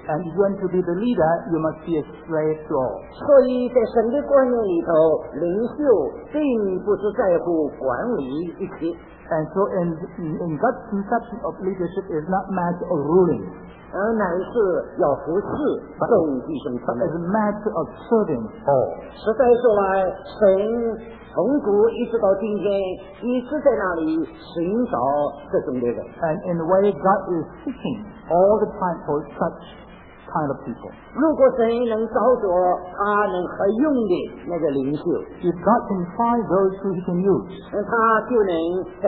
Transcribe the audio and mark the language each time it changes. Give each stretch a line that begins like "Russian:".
English: And if you want to be the leader you must be a slave to all.
Chinese: 所以在神的观念里头领袖并不是在乎管理一切。
English: And so in God's conception of leadership is not matter of ruling.
Chinese: 而乃是要服侍众弟兄他们。
English: It's a matter of serving all.
Chinese: 实在说来，神从古一直到今天，一直在那里寻找这种的人。
English: And in the way God is seeking all the time for such kind of people.
Chinese: 如果神能找着他能合用的那个领袖，
English: if God can find those who he can use,